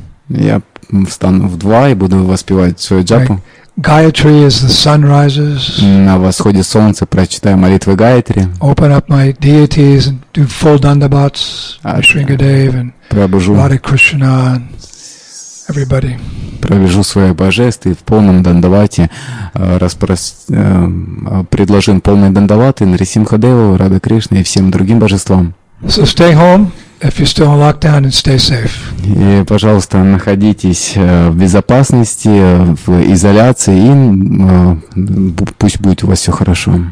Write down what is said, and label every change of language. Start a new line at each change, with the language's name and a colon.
Russian: Я встану в 2 и буду воспевать свою джапу.
English: Gayatri as the sun rises.
Russian: На восходе солнца прочитаю молитвы Гаятри.
English: Open up my deities and do full dandabats, Shringadev and
Russian: пробужу.
English: Radha Krishna and everybody.
Russian: Пробежу свои божества и в полном дандавате предложу им полный дандават Нарисимхадеву, Радхе Кришне и всем другим божествам.
English: So stay home if you're still on lockdown and stay safe.
Russian: И, пожалуйста, находитесь в безопасности, в изоляции, и пусть будет у вас все хорошо.